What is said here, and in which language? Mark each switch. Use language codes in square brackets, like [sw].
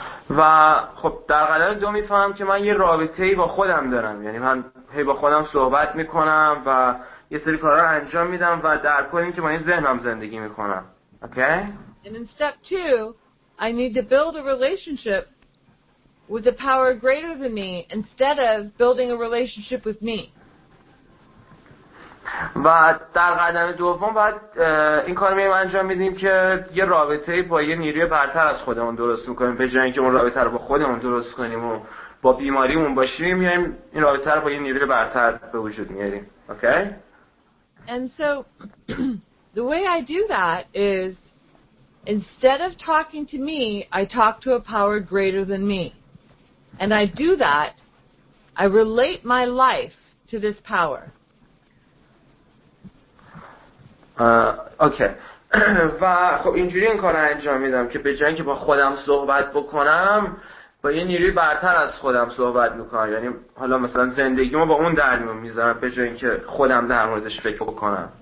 [fa] و خب در قدم دوم میفهمم که من یه رابطه‌ای با خودم دارم، یعنی من هی با خودم صحبت میکنم و یه سری کارا رو انجام میدم و در کل اینکه من ذهنم زندگی میکنم. [en] Okay? And in step 2, I need to build a relationship with a power greater than me instead of building a relationship with me. [fa] و در قدم دوم بعد این کار رو انجام میدیم که یه رابطه با یه نیروی برتر از خودمون درست میکنیم، به جای اینکه اون رابطه رو با خودمون درست کنیم و با بیماریمون باشیم، میایم این رابطه رو با یه نیروی برتر به وجود میاریم. [en] Okay? And so the way I do that is instead of talking to me, I talk to a power greater than me. And I do that, I relate my life to this power. Okay. [fa] و خب اینجوری این کار رو انجام میدم که به جای اینکه با خودم صحبت بکنم، با یه نیروی برتر از خودم صحبت میکنم. یعنی حالا مثلا زندگیمو با اون در میذارم به جای اینکه خودم در موردش فکر بکنم.